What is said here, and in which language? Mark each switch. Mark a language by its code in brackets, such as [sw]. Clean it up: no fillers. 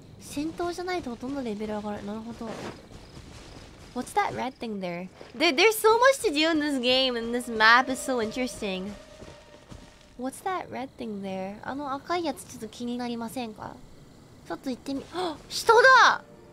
[ja] 戦闘じゃないとほとんどレベル上がる。なるほど。 [en] What's that red thing there? There's so much to do in this game, and this map is so interesting. What's that red thing there? [ja] あの赤いやつちょっと気になりませんか?ちょっと行ってみ、あ、人だ!